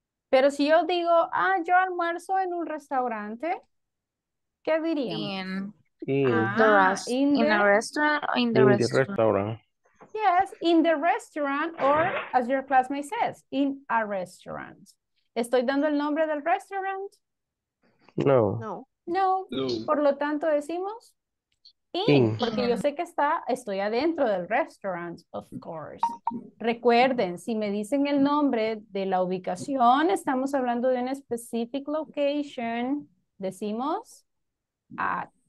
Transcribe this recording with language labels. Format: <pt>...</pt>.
<es>Pero si yo digo, ah, yo almuerzo en un restaurante, ¿qué diríamos?</es> <en>In a restaurant or in the restaurant? In the restaurant. Yes, in the restaurant, or as your classmate says, in a restaurant.</en> <es>¿Estoy dando el nombre del restaurant? No. No. No. Por lo tanto, decimos in, porque yo sé que está, estoy adentro del restaurant,</es> <en>of course.</en> <es>Recuerden, si me dicen el nombre de la ubicación, estamos hablando de una</es> <en>specific location,</en> <es>decimos at.</es>